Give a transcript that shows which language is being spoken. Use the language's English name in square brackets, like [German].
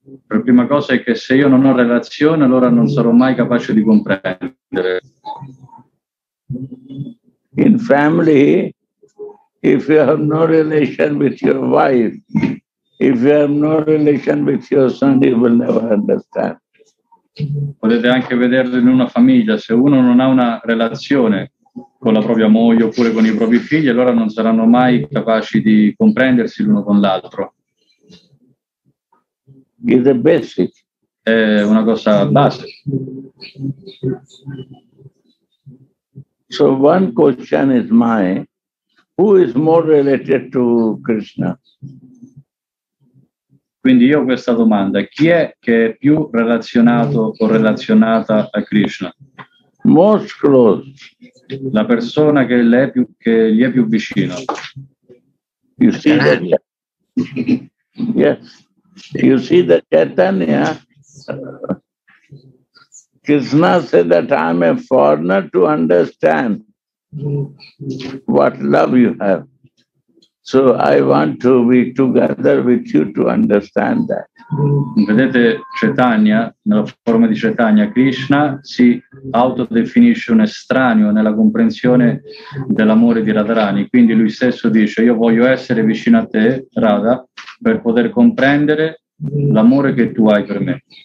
[Italian] La prima cosa è che se io non ho relazione, allora non sarò mai capace di comprendere. [English] In family, if you have no relation with your wife, if you have no relation with your son, you will never understand. [Italian] Potete anche vederlo in una famiglia, se uno non ha una relazione con la propria moglie oppure con i propri figli, allora non saranno mai capaci di comprendersi l'uno con l'altro. [English] Is a basic. [Italian] È una cosa base. [English] So one question is mine. Who is more related to Krishna? [Italian] Quindi io ho questa domanda: chi è che è più relazionato o relazionata a Krishna? [English] Most close. [Italian] La persona che le è più, che gli è più vicino. [English] You see the yes. You see the Chaitanya. Krishna said that I am a foreigner to understand what love you have. So I want to be together with you to understand that. [Italian] Vedete, Chaitanya, nella forma di Chaitanya, Krishna si autodefinisce un estraneo nella comprensione dell'amore di Radharani. Quindi lui stesso dice: io voglio essere vicino a te, Radha, per poter comprendere l'amore che tu hai per me.